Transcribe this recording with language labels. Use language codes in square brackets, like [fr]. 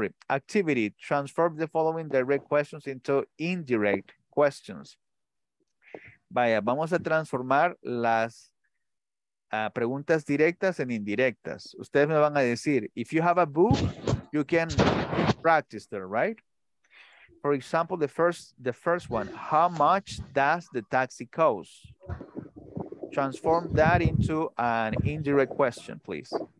[en] Activity, transform the following direct questions into indirect questions. [es] Vaya, vamos a transformar las preguntas directas en indirectas. Ustedes me van a decir, [en] if you have a book, you can practice there, right? For example, the first one, how much does the taxi cost? Transform that into an indirect question, please.